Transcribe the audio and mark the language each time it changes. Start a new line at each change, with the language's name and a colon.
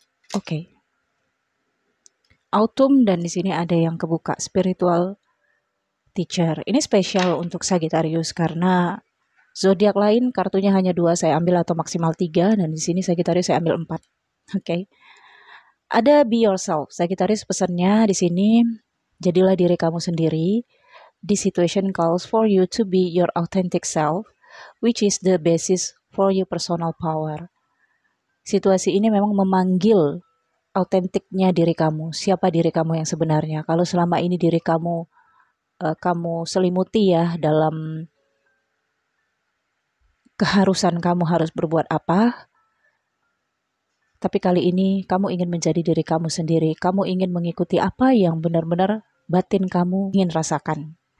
Indonesian: Oke. Autumn, dan di sini ada yang kebuka, spiritual teacher. Ini spesial untuk Sagittarius karena zodiak lain kartunya hanya 2 saya ambil atau maksimal 3, dan di sini Sagittarius saya ambil 4. Oke. Ada
English: be yourself.
Indonesian: Sagittarius pesannya di sini, jadilah diri kamu sendiri.
English: This situation calls for you to be your authentic self, which is the basis for your personal power.
Indonesian: Situasi ini memang memanggil autentiknya diri kamu, siapa diri kamu yang sebenarnya. Kalau selama ini diri kamu kamu selimuti, ya, dalam keharusan kamu harus berbuat apa, tapi kali ini kamu ingin menjadi diri kamu sendiri, kamu ingin mengikuti apa yang benar-benar batin kamu ingin rasakan.